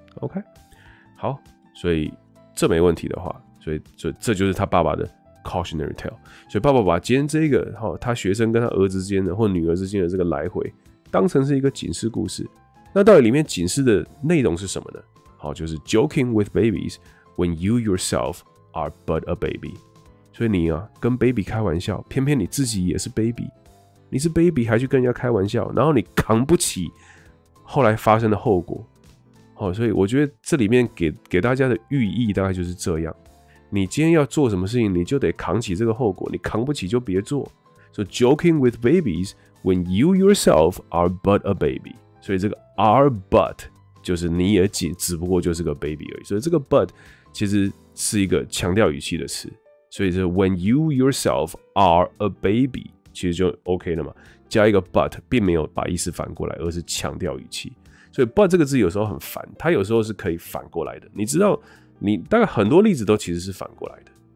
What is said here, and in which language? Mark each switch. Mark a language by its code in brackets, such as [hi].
[zh] OK， 好，所以这没问题的话，所以这就是他爸爸的 [en] cautionary tale。 [zh] 所以爸爸把今天这个他学生跟他儿子之间的或女儿之间的这个来回，当成是一个警示故事。那到底里面警示的内容是什么呢？好，就是 [en] joking with babies when you yourself are but a baby。 [zh] 所以你啊，跟 baby 开玩笑，偏偏你自己也是 baby， 你是 baby 还去跟人家开玩笑，然后你扛不起后来发生的后果。好，所以我觉得这里面给大家的寓意大概就是这样：你今天要做什么事情，你就得扛起这个后果，你扛不起就别做。 [en] So joking with babies when you yourself are but a baby。 [zh] 所以这个 are but 就是你也只不过就是个 baby 而已。所以这个 but 其实是一个强调语气的词。所以是 [en] when you yourself are a baby， [zh] 其实就 OK 了嘛。加一个 but， 并没有把意思反过来，而是强调语气。所以 but 这个字有时候很烦，它有时候是可以反过来的。你知道，你大概很多例子都其实是反过来的。